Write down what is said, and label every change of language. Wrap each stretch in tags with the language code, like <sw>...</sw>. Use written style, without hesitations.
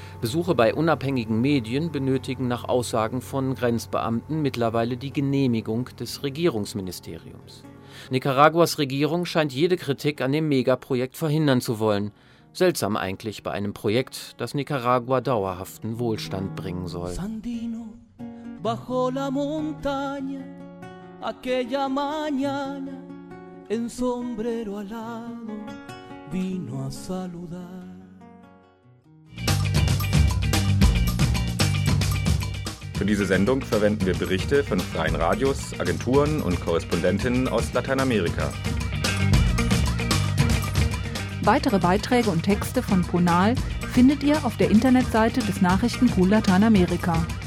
<de>Besuche bei unabhängigen Medien benötigen nach Aussagen von Grenzbeamten mittlerweile die Genehmigung des Regierungsministeriums. Nicaraguas Regierung scheint jede Kritik an dem Megaprojekt verhindern zu wollen. Seltsam eigentlich bei einem Projekt, das Nicaragua dauerhaften Wohlstand bringen soll.</de> <es>Sandino, bajo la montaña, aquella mañana. En sombrero alado vino a saludar.</es> <de>Für diese Sendung verwenden wir Berichte von freien Radios, Agenturen und Korrespondentinnen aus Lateinamerika. Weitere Beiträge und Texte von Ponal findet ihr auf der Internetseite des Nachrichtenpool Lateinamerika.</de>